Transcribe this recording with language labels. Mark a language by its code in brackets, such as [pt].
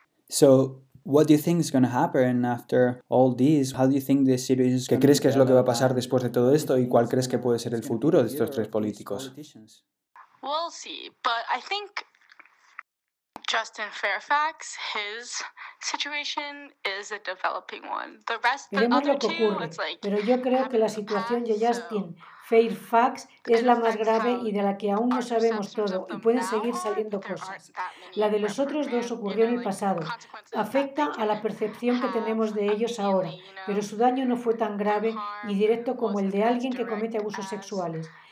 [en] So what do you think is going to happen after all this? How do you think the series is? [es] ¿Qué crees que es lo que va a pasar después de todo esto y cuál crees que puede ser el futuro de estos tres políticos? [en] We'll see, but I think Justin Fairfax, his situation is a developing one. The rest, the [es] veremos [en] other [es] lo que ocurre, [en] two, it's like, [es] pero yo creo que la situación de Justin Fairfax es la más grave y de la que aún no sabemos todo, y pueden seguir saliendo cosas. La de los otros dos ocurrió en el pasado. Afecta a la percepción que tenemos de ellos ahora, pero su daño no fue tan grave ni directo como el de alguien que comete abusos sexuales.